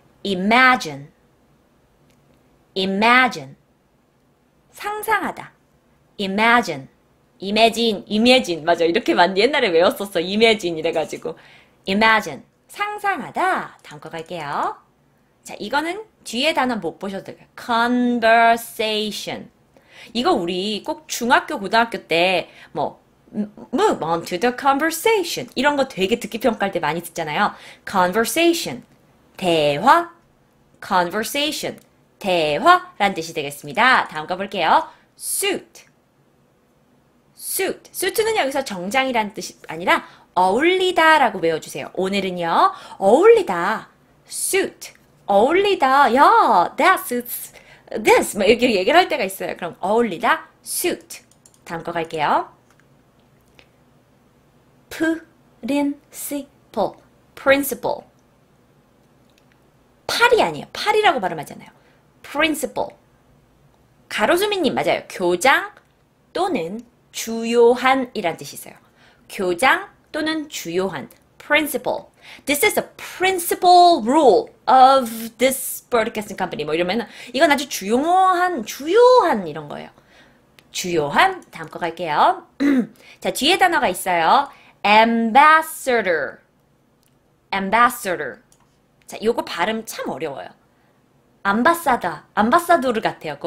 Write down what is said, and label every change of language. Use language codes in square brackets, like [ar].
[en] imagine. imagine. 상상하다. imagine. imagine. imagine. 맞아. [ko] 이렇게 만 옛날에 외웠었어. imagine 이래가지고. imagine. 상상하다. 다음 거 갈게요. 자, 이거는 뒤에 단어 못 보셔도 돼요. conversation. 이거 우리 꼭 중학교, 고등학교 때, 뭐, [en] Move on to the conversation. [ko] 이런 거 되게 듣기 평가할 때 많이 듣잖아요. [en] Conversation. 대화. Conversation. [ko] 대화란 뜻이 되겠습니다. 다음 거 볼게요. Suit. Suit. Suit는 여기서 정장이란 뜻이 아니라 어울리다라고 외워주세요. 오늘은요. 어울리다. Suit. 어울리다. [en] 야, that suits this. [ko] 막 이렇게 얘기를 할 때가 있어요. 그럼 어울리다. Suit. 다음 거 갈게요. [en] Principle. Principle. [ko] 팔이 아니에요. 팔이라고 발음하잖아요. Principle. 가로수미님, 맞아요. 교장 또는 주요한이란 뜻이 있어요. 교장 또는 주요한. Principle. [en] This is a principal role of this broadcasting company. [ko] 뭐 이러면은, 이건 아주 주요한 이런 거예요. 주요한. 다음 거 갈게요. 자, 뒤에 단어가 있어요. [en] Ambassador. Ambassador. [ko] 자, 요거 발음 참 어려워요. 암바사다, 암바사도르 같아요.